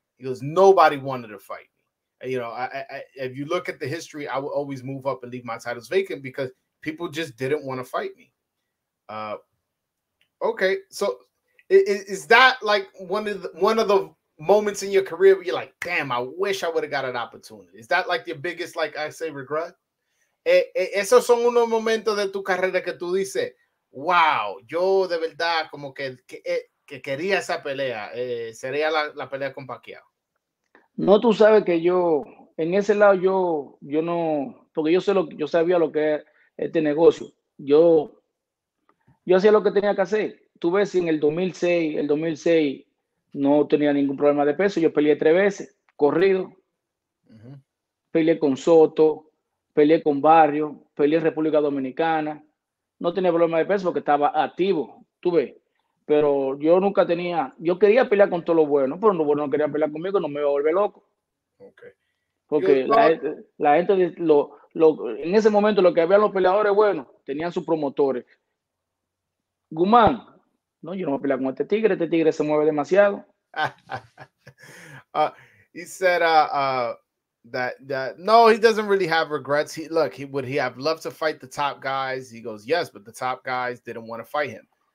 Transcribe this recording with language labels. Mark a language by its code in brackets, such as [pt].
[en] He goes, nobody wanted to fight. You know, if you look at the history, I would always move up and leave my titles vacant because people just didn't want to fight me. Okay, so is that like one of the moments in your career where you're like, damn, I wish I would have got an opportunity? Is that like your biggest, like I say, regret? [es] Esos son unos momentos de tu carrera que tú dices, wow, yo de verdad como que quería esa pelea, sería la pelea con Pacquiao. No, tú sabes que yo, en ese lado yo no, porque yo sabía lo que es este negocio. Yo hacía lo que tenía que hacer. Tú ves, si en el 2006 no tenía ningún problema de peso. Yo peleé 3 veces, corrido. Uh-huh. Peleé con Soto, peleé con Barrio, peleé en República Dominicana. No tenía problema de peso porque estaba activo, tú ves. Pero yo quería pelear con todos los buenos, pero los buenos no querían pelear conmigo, no me iba a volver loco. Okay. Porque la gente, en ese momento lo que habían los peleadores buenos, tenían sus promotores. Guzmán, no, yo no voy a pelear con este tigre se mueve demasiado. [en] He said that no, he doesn't really have regrets. Would he have loved to fight the top guys? He goes, yes, but the top guys didn't want to fight him.